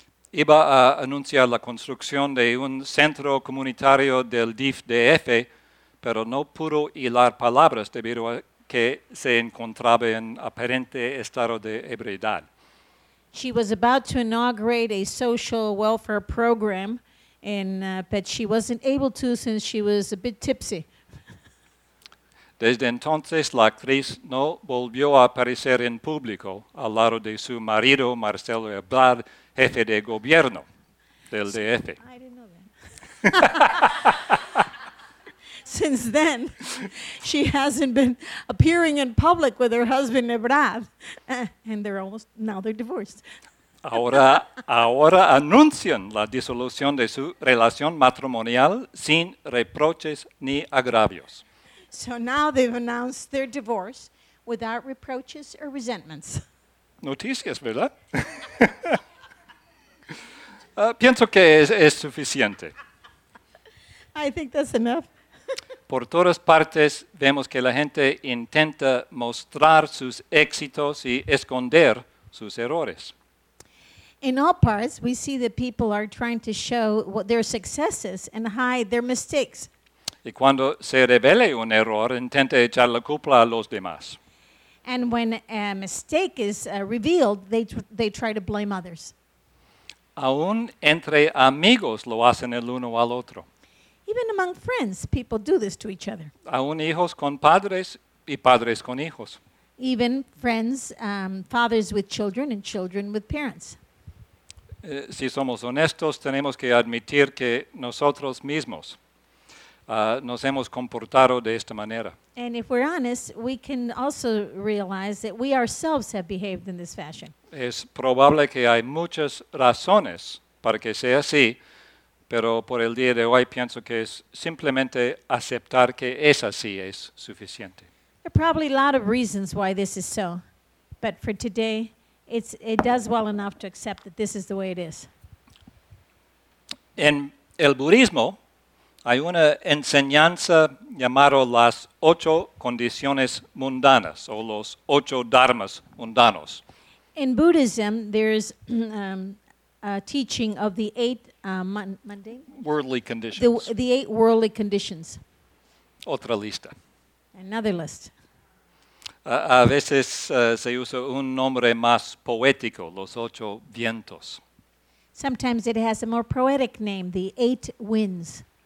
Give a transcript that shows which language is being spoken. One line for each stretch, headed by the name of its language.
Spanish: Iba a anunciar la construcción de un centro comunitario del DIF-DF, pero no pudo hilar palabras debido a que se encontraba en aparente estado de ebriedad.
English: She was about to inaugurate a social welfare program, but she wasn't able to since she was a bit tipsy.
Spanish: Desde entonces, la actriz no volvió a aparecer en público al lado de su marido, Marcelo Ebrard, jefe de gobierno del DF.
English: I didn't know that. Since then, she hasn't been appearing in public with her husband, Ebrard, and they're divorced.
Spanish: Ahora anuncian la disolución de su relación matrimonial sin reproches ni agravios.
English: So now they've announced their divorce without reproaches or resentments.
Spanish: Noticias, ¿verdad? pienso que es suficiente.
English: I think that's enough.
Spanish: Por todas partes vemos que la gente intenta mostrar sus éxitos y esconder sus errores.
English: In all parts, we see that people are trying to show their successes and hide their mistakes.
Spanish: Y cuando se revele un error, intenta echar la culpa a los demás.
English: And when a mistake is revealed, they try to blame others.
Spanish: Aún entre amigos lo hacen el uno al otro.
English: Even among friends, people do this to each other.
Spanish: Aún hijos con padres y padres con hijos.
English: Even friends, fathers with children and children with parents.
Spanish: Si somos honestos, tenemos que admitir que nosotros mismos nos hemos comportado de esta manera.
English: And if we're honest, we can also realize that we ourselves have behaved in this fashion.
Spanish: Es probable que hay muchas razones para que sea así, pero por el día de hoy pienso que es simplemente aceptar que es así es suficiente.
English: There are probably a lot of reasons why this is so, but for today, it does well enough to accept that this is the way it is.
Spanish: En el budismo hay una enseñanza llamada las 8 condiciones mundanas o los 8 dharmas mundanos.
English: In Buddhism, there's a teaching of the 8 worldly conditions. The 8 worldly conditions.
Spanish: Otra lista.
English: Another list.
Spanish: A veces se usa un nombre más poético, los 8 vientos.
English: Sometimes it has a more poetic name, the 8 winds.